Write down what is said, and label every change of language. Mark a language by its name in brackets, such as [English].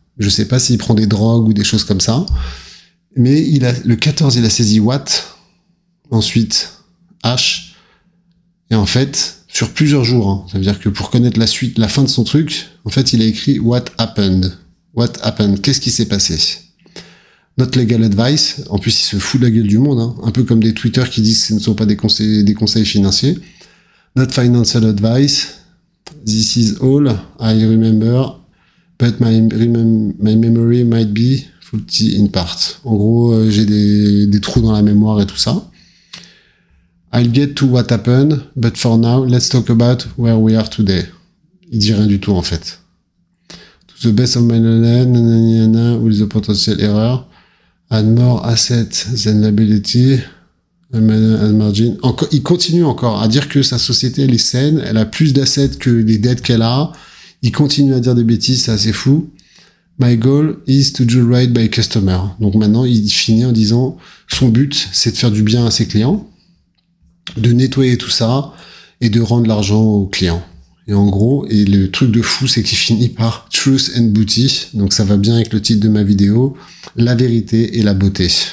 [French] Je sais pas s'il prend des drogues ou des choses comme ça, mais il a le 14, il a saisi Watt, ensuite H, et en fait, sur plusieurs jours, ça veut dire que pour connaître la suite, la fin de son truc, en fait il a écrit [English] What happened. What happened, [French] qu'est-ce qui s'est passé? [English] Not legal advice, [French] en plus il se fout de la gueule du monde, hein. Un peu comme des tweeters qui disent que ce ne sont pas des conseils financiers. [English] Not financial advice, this is all I remember, but my memory might be faulty in part. [French] En gros, j'ai des trous dans la mémoire et tout ça. [English] I'll get to what happened, but for now, let's talk about where we are today. [French] Il dit rien du tout en fait. [English] To the best of my knowledge, with the potential error. And more assets than liability and margin. [French] Il continue encore à dire que sa société, elle est saine, elle a plus d'assets que les dettes qu'elle a. Il continue à dire des bêtises, c'est assez fou. [English] My goal is to do right by customer. [French] Donc maintenant, il finit en disant son but, c'est de faire du bien à ses clients, de nettoyer tout ça et de rendre l'argent aux clients. Et en gros, et le truc de fou, c'est qu'il finit par [English] Truth and Beauty. [French] Donc ça va bien avec le titre de ma vidéo. La vérité et la beauté.